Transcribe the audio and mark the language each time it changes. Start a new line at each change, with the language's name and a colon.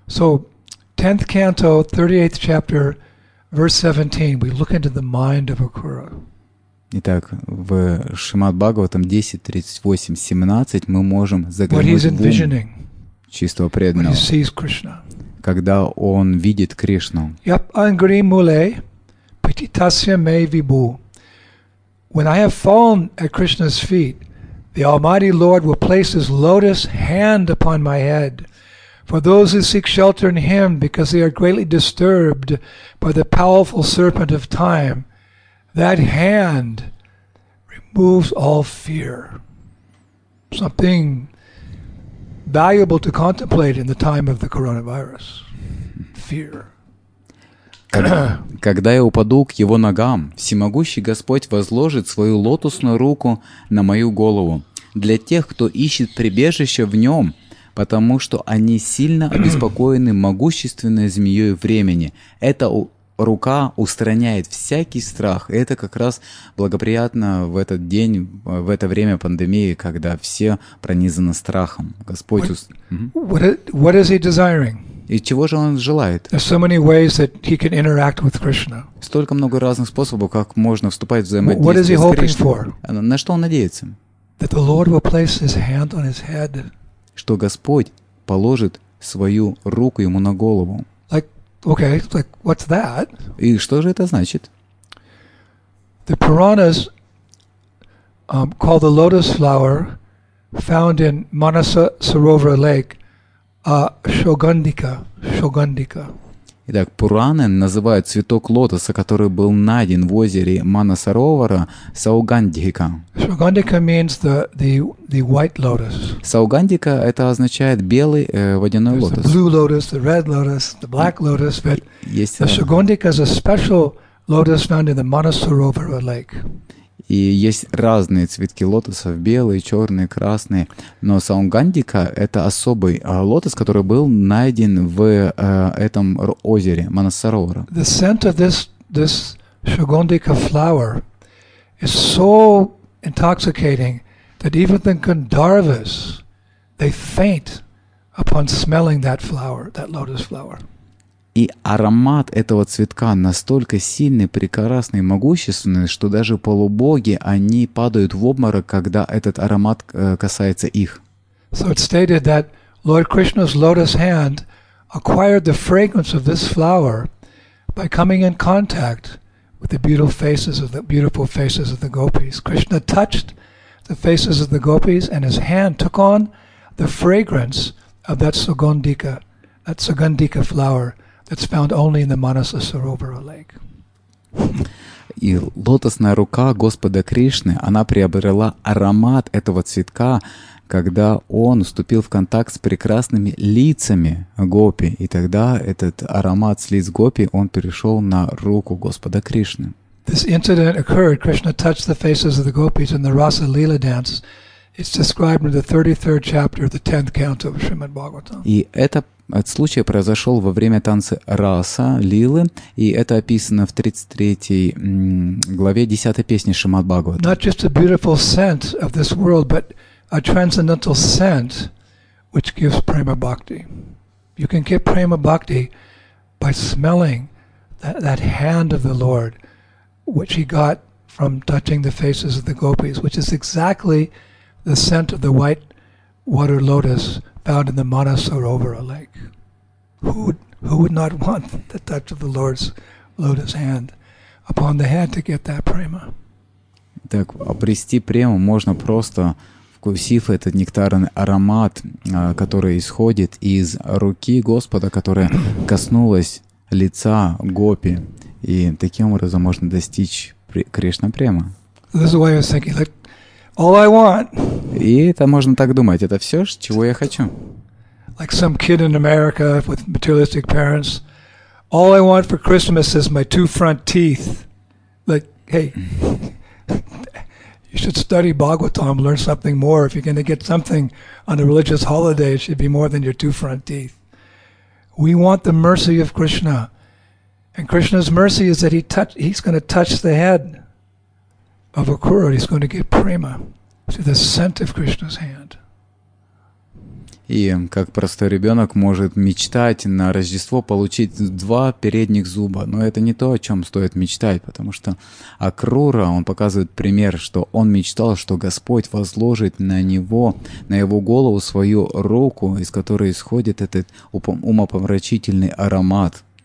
English: So, 10th canto, 38th chapter, verse 17, we look into the mind of Akura.
Russian: Итак, в Шримад-Бхагаватам 10.38.17 мы можем заглянуть в ум чистого преданного, когда он видит Кришну.
Sanskrit: Yep, angri mule petitasya me vibhu.
English: When I have fallen at Krishna's feet, the Almighty Lord will place His lotus hand upon my head. For those who seek shelter in Him because they are greatly disturbed by the powerful serpent of time, that hand removes all fear. Something valuable to contemplate in the time of the coronavirus. Fear.
Russian: Когда я упаду к его ногам, всемогущий Господь возложит свою лотосную руку на мою голову для тех, кто ищет прибежище в нем, потому что они сильно обеспокоены могущественной змеей времени. Эта рука устраняет всякий страх. Это как раз благоприятно в этот день, в это время пандемии, когда все пронизаны страхом. Господь
English: What is he desiring?
Russian: И чего же он желает?
English: There's so many ways that he can interact with Krishna.
Russian: Столько много разных способов, как можно вступать в взаимодействие с Кришной.
English: What is he hoping for?
Russian: На что он надеется?
English: That the Lord will place his hand on his head.
Russian: Что Господь положит свою руку ему на голову.
English: Okay, like what's that?
Russian: И что же это значит?
English: The Puranas call the lotus flower found in Manasa Sarovara Lake Shogandika.
Russian: Итак, Пураны называют цветок лотоса, который был найден в озере Манасаровара, Саугандика.
English: Shogandika means the white lotus.
Russian: Саугандика это означает белый водяной
English: There's
Russian: лотос.
English: The blue lotus, the red lotus, the black lotus, but
Russian: есть
English: the Shogandika is a special lotus found in the Manasarovara Lake.
Russian: И есть разные цветки лотосов, белые, черные, красные. Но Саугандика — это особый лотос, который был найден в этом озере Манасаровара.
English: The scent of this Shogandika flower is so intoxicating that even the Gandharvas, they faint upon smelling that flower, that lotus flower.
Russian: И аромат этого цветка настолько сильный, прекрасный, могущественный, что даже полубоги, они падают в обморок, когда этот аромат касается их.
English: So it's stated that Lord Krishna's lotus hand acquired the fragrance of this flower by coming in contact with the beautiful faces of the gopis. Krishna touched the faces of the gopis and his hand took on the fragrance of that Sugandhika flower that's found only in the Manasa Sarovara lake.
Russian: И лотосная рука Господа Кришны, она приобрела аромат этого цветка, когда он вступил в контакт с прекрасными лицами гопи, и тогда этот аромат с лиц гопи, он перешел на руку Господа Кришны.
English: This incident occurred. Krishna touched the faces of the gopis in the Rasa Lila dance. It's described in the 33rd chapter of the 10th canto of Srimad Bhagavatam.
Russian: И этот случай произошел во время танца Раса Лилы, и это описано в 33 главе 10 песни Шримад Бхагаватам.
English: Not just a beautiful scent of this world, but a transcendental scent which gives prema bhakti. You can get prema bhakti by smelling that hand of the Lord which he got from touching the faces of the gopis, which is exactly the scent of the white water lotus found in the Manasarovara lake. Who would not want the touch of the Lord's lotus hand upon the head to get that prema?
Russian: Так, обрести прему можно просто вкусив этот нектарный аромат, который исходит из руки Господа, которая коснулась лица гопи, и таким образом можно достичь Кришна према.
English: This is why I was thinking, like, all I want.
Russian: И это можно так думать, это все, чего я хочу.
English: Like some kid in America with materialistic parents, all I want for Christmas is my two front teeth. Like, hey. You should study Bhagavatam, learn something more. If you're going to get something on a religious holiday, it should be more than your two front teeth. We want the mercy of Krishna. And Krishna's mercy is that he's going to touch the head of Akura. He's going to get prema to the scent of Krishna's hand.
Russian: И как простой ребенок может мечтать на Рождество получить два передних зуба. Но это не то, о чем стоит мечтать, потому что Акрура, он показывает пример, что он мечтал, что Господь возложит на него, на его голову свою руку, из которой исходит этот умопомрачительный аромат.